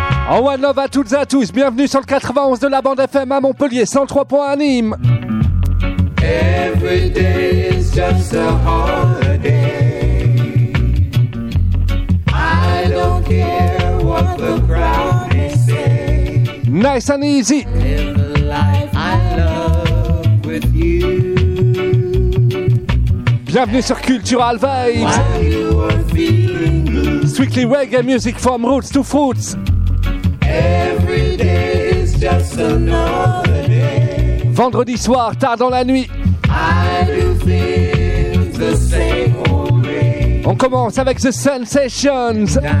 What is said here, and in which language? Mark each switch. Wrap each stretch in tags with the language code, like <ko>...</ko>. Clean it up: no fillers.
<en>Oh, one love</en> <fr>à toutes et à tous. Bienvenue sur le 91 de la bande FM à Montpellier, 103.1 à Nîmes.</fr> <en>Every day is just a holiday. I don't care what the crowd may say. Nice and easy. Live the life I love with you.</en> <fr>Bienvenue sur Cultural Vibes.</fr> <en>Strictly reggae music from roots to fruits. Every day is just another day.</en> <fr>Vendredi soir, tard dans la nuit.</fr> <en>I do things the same old way.</en> <fr>On commence avec The Sensations.</fr>